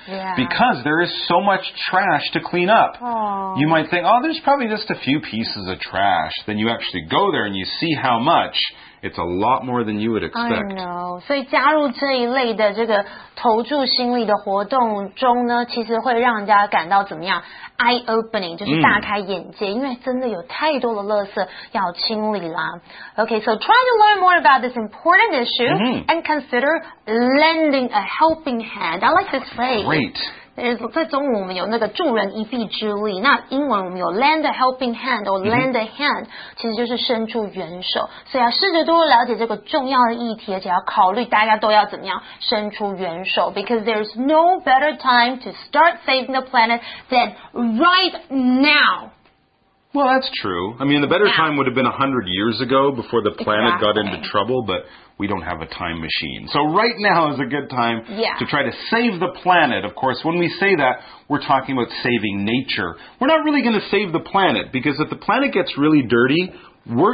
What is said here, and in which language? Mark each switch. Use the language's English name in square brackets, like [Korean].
[English] yeah. because there is so much trash to clean up.、 Aww. You might think, oh, there's probably just a few pieces of trash. Then you actually go there and you see how much... It's a lot more than you would expect. I know. [Chinese] 所以加入这一类的这个投注心力的活动中呢，其实会让人家感到怎么样？ Eye opening, 就是大开眼界、mm. 因为真的有太多的垃圾要清理啦。 [English] Okay, so try to learn more about this important issue、 mm-hmm. and consider lending a helping hand. I like this phrase. Great. [Chinese] 在中文我们有那个助人一臂之力，那英文我们有 [English] lend a helping hand or lend a hand、 [Chinese] mm-hmm. 其实就是伸出援手，所以要试着多了解这个重要的议题，而且要考虑大家都要怎么样伸出援手， [English] because there's no better time to start saving the planet than right now. Well, that's true. I mean, the better、yeah. time would have been 100 years ago before the planet、 exactly. got into trouble, butWe don't have a time machine. So right now is a good time、 yeah. to try to save the planet. Of course, when we say that, we're talking about saving nature. We're not really going to save the planet, because if the planet gets really dirty, we're、